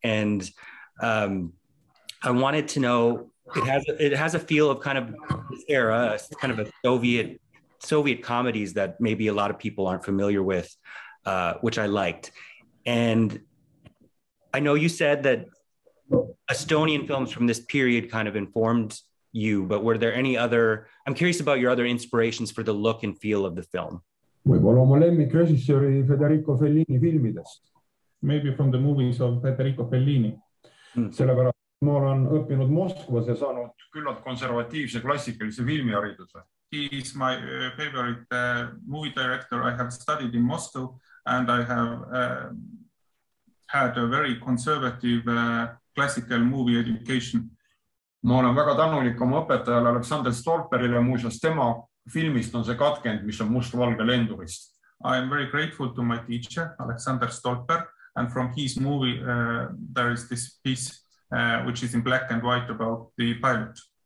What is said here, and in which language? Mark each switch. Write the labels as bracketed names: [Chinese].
[English] And I wanted to know, it has a feel of kind of this era, kind of a Soviet comedies that maybe a lot of people aren't familiar with, which I liked. And I know you said that Estonian films from this period kind of informed you, but were there any other, I'm curious about your other inspirations for the look and feel of the film. [Estonian] Võib-olla oma lemmik režissööri Federico Fellini filmidest. [English] Maybe from the movies of Federico Fellini. [Estonian] Sellepärast ma olen õppinud Moskvas ja saanud küllalt konservatiivse klassikalise filmihariduse. [English] He is my favorite movie director. I have studied in Moscow and I have had a very conservative classical movie education. [Estonian] Ma olen väga tänulik oma õpetajale Aleksandr Stolperile muuseas tema filmist on see katkend, mis on mustvalge lendurist. [English] I am very grateful to my teacher, Aleksandr Stolper, and from his movie there is this piece which is in black and white about the pilot.